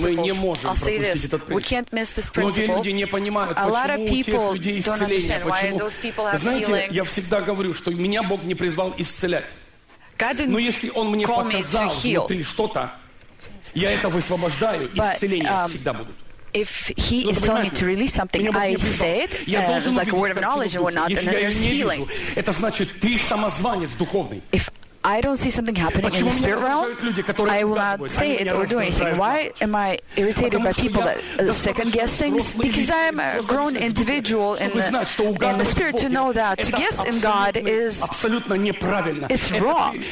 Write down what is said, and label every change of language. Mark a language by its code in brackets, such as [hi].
[ru] Мы не можем пропустить этот принцип. Многие люди не понимают, почему у тех людей исцеление, почему... Знаете, [en] healing. [ru] Я всегда говорю, что меня Бог не призвал исцелять. Но если Он мне показал внутри что-то, я это высвобождаю, исцеление всегда будет. [en] If he is telling me to release something, I say it, like a word of knowledge and whatnot, and then there's healing. [ru] Это значит, ты самозванец духовный. [en] If I don't see something happening in the spirit realm, I will not say it or do anything. Why am I irritated by people that second guess things? Because I am a grown individual in the spirit to know that to guess in God is it's wrong.